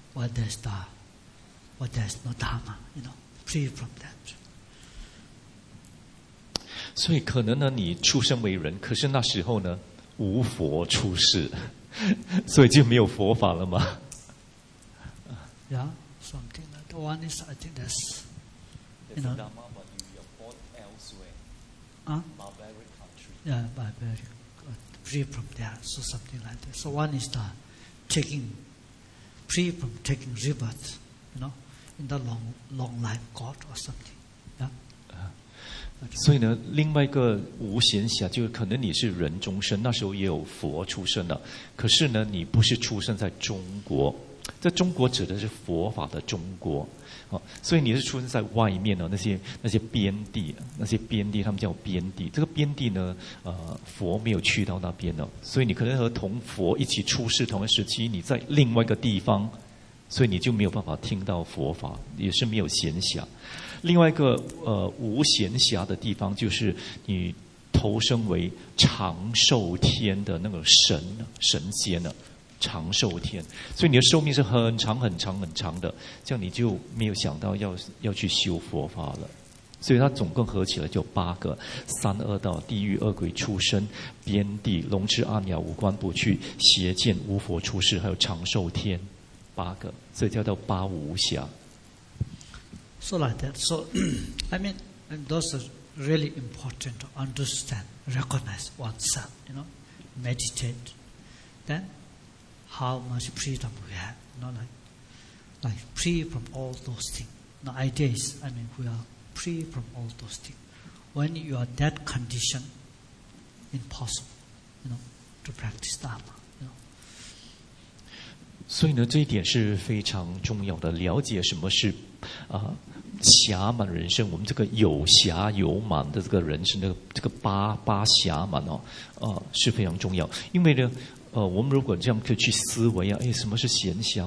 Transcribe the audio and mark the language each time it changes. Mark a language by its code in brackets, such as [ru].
[en] What there's da, what there's no dharma, you know, free from that. [zh] 所以可能呢，你出生为人，可是那时候呢，无佛出世，所以就没有佛法了吗 [en] ？Yeah, something like that. One is I think that's, you know, dharma, but you are born elsewhere. Barbaric country. Yeah, barbaric, free from there. So something like that. So one is the taking. Free from taking rebirth, you know, in the long life God or something. Yeah. [zh] 所以呢，另外一个无闲暇，就是可能你是人中生，那时候也有佛出生了，可是呢，你不是出生在中国，这中国指的是佛法的中国，所以你是出生在外面的那些边地，那些边地他们叫边地，这个边地呢，佛没有去到那边的，所以你可能和同佛一起出世，同一时期你在另外一个地方，所以你就没有办法听到佛法，也是没有闲暇。另外一个无闲暇的地方，就是你投生为长寿天的那个神仙了。长寿天，所以你的寿命是很长很长很长的，这样你就没有想到要去修佛法了。所以它总共合起来就八个：三恶道、地狱、恶鬼、畜生、边地、聋痴、暗哑、五官不去、邪见、无佛出世，还有长寿天，八个，所以叫做八无暇。 [en] So like that. So, I mean, and those are really important to understand, recognize oneself. You know, meditate, then. How much freedom we have, you know, like free from all those things. The idea is, I mean, we are free from all those things. When you are that condition, impossible, you know, to practice Dharma, you know. [zh] 所以呢，这一点是非常重要的。了解什么是啊，暇满人生。我们这个有暇有满的这个人生，这个八暇满哦，是非常重要。因为呢，我们如果这样可以去思维啊，哎，什么是闲暇？